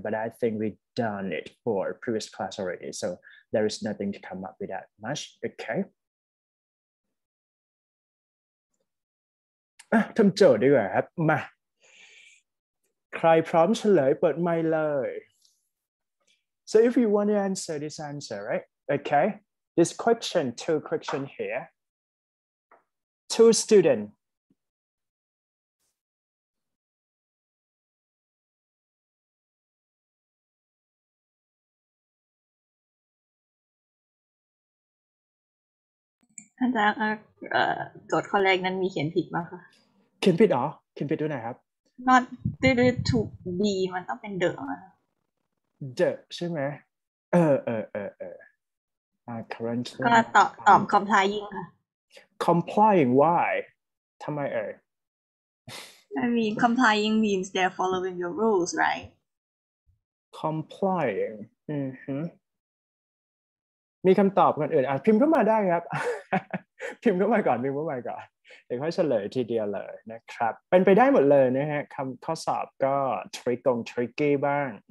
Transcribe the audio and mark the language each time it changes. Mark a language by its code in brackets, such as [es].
[en] But I think we done it for previous class already, so there is nothing to come up with that much. Okay. [th] ทำโจทย์ดีกว่าครับมาใครพร้อมเฉลยเปิดไมค์เลย [en] So if you want to answer this answer, right? Okay. This question, two question here. Two student. [th] อาจารย์ครับโจทย์ข้อแรกนั้นมีเขียนผิดมั้ยคะ เขียนผิดเหรอเขียนผิดด้วยนะครับ [en] Not did it to be [th] มันต้องเป็น [en] the มั้ย [th] the ใช่ไหมเออcurrently ก็ตอบ complying ค่ะ [en] complying why ทำไม I mean complying means they're following your rules right [th] complying มีคำตอบกันอื่นอ่ะพิมพ์เข้ามาได้ครับ พิมพ์เข้ามาก่อนพิมพ์เข้ามาก่อนเดี๋ยวค่อยเฉลยทีเดียวเลยนะครับเป็นไปได้หมดเลยนะฮะคำข้อสอบก็ tricky บ้าง